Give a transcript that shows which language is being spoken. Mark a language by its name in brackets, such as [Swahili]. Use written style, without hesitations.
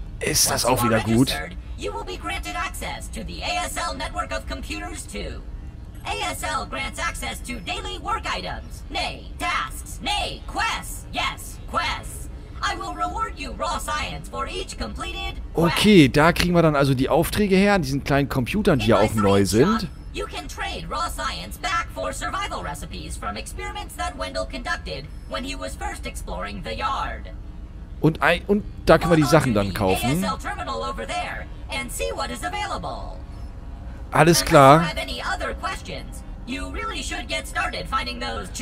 [German] Ist das auch wieder gut? [English] You will be granted access to the ASL network of computers too. ASL grants access to daily work items. Nay, tasks. Nay, quests. Yes, quests. I will reward you raw science for each completed quest. [German] Okay, da kriegen wir dann also die Aufträge her an diesen kleinen Computern, die in ja auch neu sind. [English] You can train trade raw science back for survival recipes from experiments that Wendell conducted when he was first exploring the yard. [German] Und da können wir die Sachen dann kaufen. [English] ASL terminal over there and see what is available. [German] Alles klar. [English] If you have any other questions, you really should get started finding those.